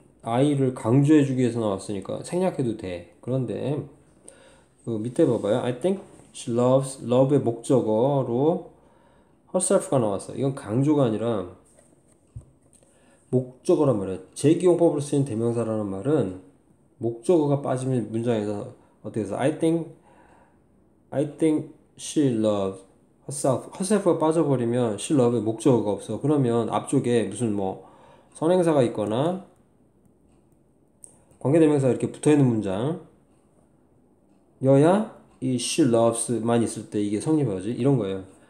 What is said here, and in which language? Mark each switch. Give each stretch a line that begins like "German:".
Korean: I를 강조해 주기 위해서 나왔으니까 생략해도 돼. 그런데, 밑에 봐봐요.
English: I think she loves,
Korean: love의 목적어로 herself가 나왔어. 이건 강조가 아니라 목적어란 말이야. 제기용법으로 쓰인 대명사라는 말은 목적어가 빠지면 문장에서 어떻게 해서
English: I think she loves herself.
Korean: herself가 빠져버리면 she loves의 목적어가 없어. 그러면 앞쪽에 무슨 뭐 선행사가 있거나 관계대명사가 이렇게 붙어있는 문장 여야 이 she loves만 있을 때 이게 성립하지 이런 거예요.